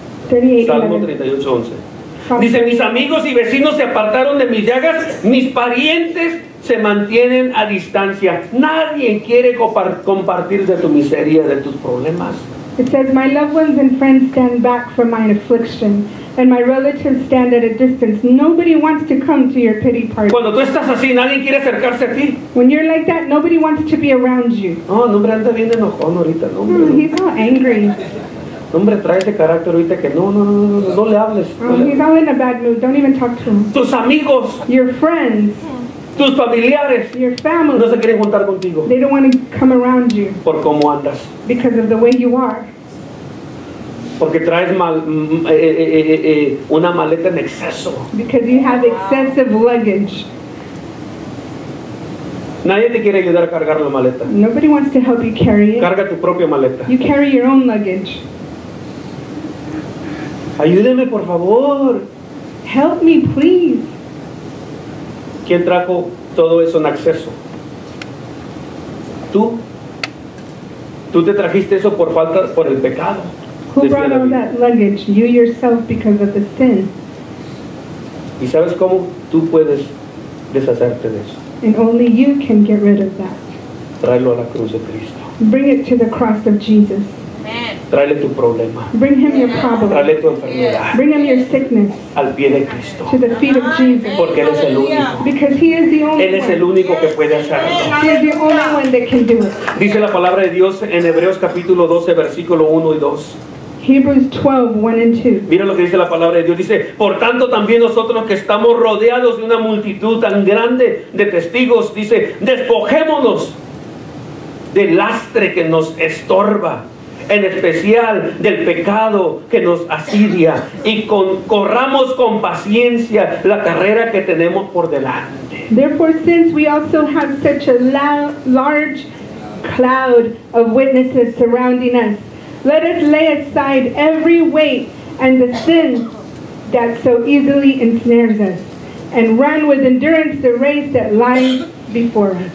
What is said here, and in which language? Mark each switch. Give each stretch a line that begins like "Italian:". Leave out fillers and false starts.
Spanish: 38:11. Salmo 38:11. Dice, mis amigos y vecinos se apartaron de mis llagas, mis parientes se mantienen a distancia. Nadie quiere compartir de tu miseria, de tus problemas.
English: It says, my loved ones and friends stand back from my affliction, and my relatives stand at a distance. Nobody wants to come to your pity party.
Spanish: Cuando tú estás así, nadie quiere acercarse a ti.
English: When you're like that, nobody wants to be around you.
Spanish: No, oh, hombre, anda bien enojón ahorita. No, hombre,
English: oh, he's all angry.
Spanish: No, hombre, trae ese carácter ahorita que no le hables.
English: Oh, he's all in a bad mood. Don't even talk to him.
Spanish: Tus amigos.
English: Your friends.
Spanish: Tus familiares.
English: Your family.
Spanish: No se quieren juntar contigo.
English: They don't want to come around you.
Spanish: Por cómo andas.
English: Because of the way you are.
Spanish: Porque traes una maleta en exceso.
English: Because you have excessive luggage.
Spanish: Nadie te quiere ayudar a cargar la maleta.
English: Nobody wants to help you carry it.
Spanish: Carga tu propia maleta.
English: You carry your own luggage.
Spanish: Ayúdeme, por favor.
English: Help me, please.
Spanish: ¿Quién trajo todo eso en exceso? Tú. Tú te trajiste eso por falta, por el pecado.
English: Who brought all that luggage? You yourself, because of the sin.
Spanish: ¿Y sabes cómo tú puedes deshacerte de eso?
English: And only you can get rid of that.
Spanish: Tráelo a la cruz de Cristo.
English: Bring it to the cross of Jesus. Amen.
Spanish: Tráele tu problema.
English: Bring him your problem.
Spanish: Tráele tu enfermedad.
English: Bring him your sickness.
Spanish: Al pie de Cristo.
English: To the feet of Jesus.
Spanish: Porque él es el único.
English: Because he is the only
Spanish: él es el único
English: one
Spanish: que puede hacerlo.
English: He is the only one that can do it.
Spanish: Dice la palabra de Dios en Hebreos capítulo 12 versículo 1 y 2.
English: Hebrews 12, 1 and 2.
Spanish: Mira lo que dice la palabra de Dios. Dice, por tanto también nosotros que estamos rodeados de una multitud tan grande de testigos, dice, despojémonos del lastre que nos estorba, en especial del pecado que nos asidia, y corramos con paciencia la carrera que tenemos por delante.
English: Therefore, since we also have such a large cloud of witnesses surrounding us, let us lay aside every weight and the sin that so easily ensnares us, and run with endurance the race that lies before us.